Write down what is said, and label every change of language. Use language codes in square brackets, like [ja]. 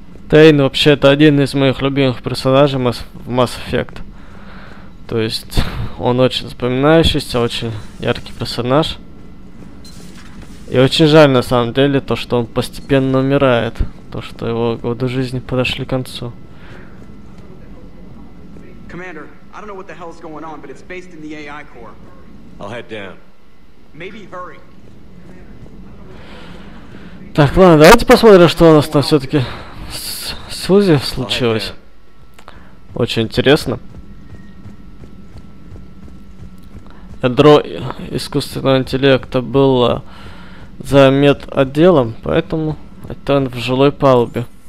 [ru] Тейн вообще это один из моих любимых персонажей в Mass Effect. То есть он очень запоминающийся, очень яркий персонаж. И очень жаль на самом деле то, что он постепенно умирает. То, что его годы жизни подошли к концу. [en] Commander, I don't know what the hell is going on, but it's based in the AI core. I'll head down. [ru] Так, ладно, давайте посмотрим, что у нас там все-таки с Сузи случилось. Очень интересно. Ядро искусственного интеллекта было за медотделом, поэтому это он в жилой палубе.